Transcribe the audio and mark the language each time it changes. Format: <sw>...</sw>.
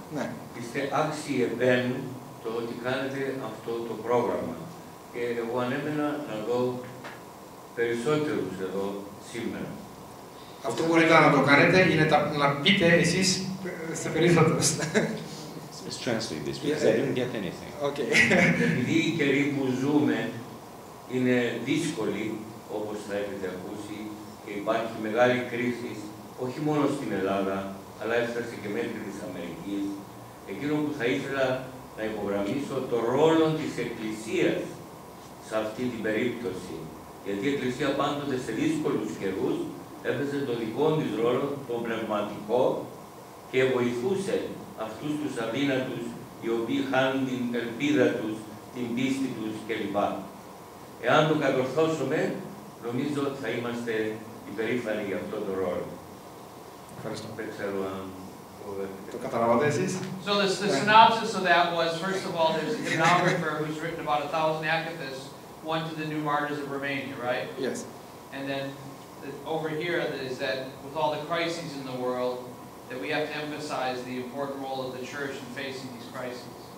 <el>Ναι. Είστε άξιοι ευαίνου το ότι κάνετε αυτό το πρόγραμμα. Και εγώ ανέμενα να δω περισσότερους εδώ σήμερα. Αυτό μπορείτε να το κάνετε είναι να πείτε εσείς σε περισσότερους.</el> <en>Let's translate this, because I didn't get anything. Okay.</en> <el>Επειδή οι καιροί που ζούμε είναι δύσκολοι, όπως θα έχετε ακούσει, και υπάρχει μεγάλη κρίση, όχι μόνο στην Ελλάδα, αλλά έφτασε και μέχρι της Αμερικής, εκείνο που θα ήθελα να υπογραμμίσω το ρόλο της Εκκλησίας σε αυτή την περίπτωση. Γιατί η Εκκλησία πάντοτε σε δύσκολους καιρούς έπαιζε το δικό της ρόλο, το πνευματικό, και βοηθούσε αυτούς τους αδύνατους, οι οποίοι χάνουν την ελπίδα τους, την πίστη τους κλπ. Εάν το κατορθώσουμε, νομίζω ότι θα είμαστε υπερήφανοι για αυτό το ρόλο. Ευχαριστώ. Δεν ξέρω αν το καταλάβατε εσείς.</el> <en>So the synopsis of that was, first of all, there's a hymnographer who's written about 1,000 akathists, one to the new martyrs of Romania, right? Yes. And then over here is that with all the crises in the world, that we have to emphasize the important role of the church in facing these crises.</en>